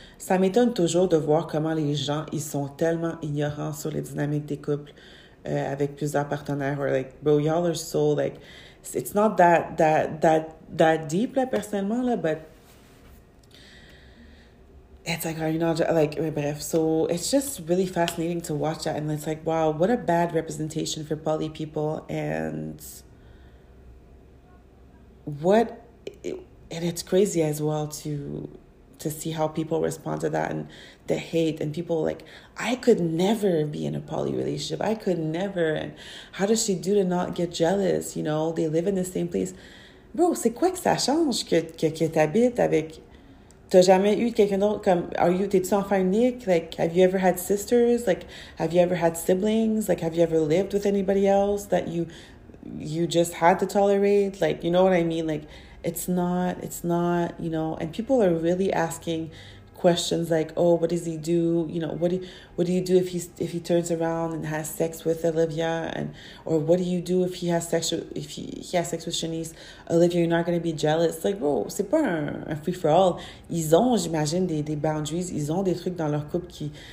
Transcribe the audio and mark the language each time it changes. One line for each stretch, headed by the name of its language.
French: Ça m'étonne toujours de voir comment les gens, ils sont tellement ignorants sur les dynamiques des couples avec plusieurs partenaires.
English: Or like, bro, y'all are so like, it's not that deep,
French: là, personnellement, là,
English: but it's like, are you not, like, bref. So it's just really fascinating to watch that. And it's like, wow, what a bad representation for poly people. And... what, and it's crazy as well to see how people respond to that and the hate, and people like, I could never be in a poly relationship. I could never. And how does she do to not get jealous? You know, they live in the same place.
French: Bro, c'est quoi que ça change que t'habites avec... T'as jamais eu quelqu'un d'autre comme... T'es-tu enfant unique?
English: Like, have you ever had sisters? Like, have you ever had siblings? Like, have you ever lived with anybody else that you just had to tolerate? Like, you know what I mean? Like, it's not, you know... And people are really asking questions like, oh, what does he do? You know, what do you do if he turns around and has sex with Olivia? And or what do you do if he has sex with Shanice? Olivia, you're not going to be jealous.
French: Like, bro, c'est pas un free-for-all. Ils ont, j'imagine, des boundaries. Ils ont des trucs dans leur couple qui...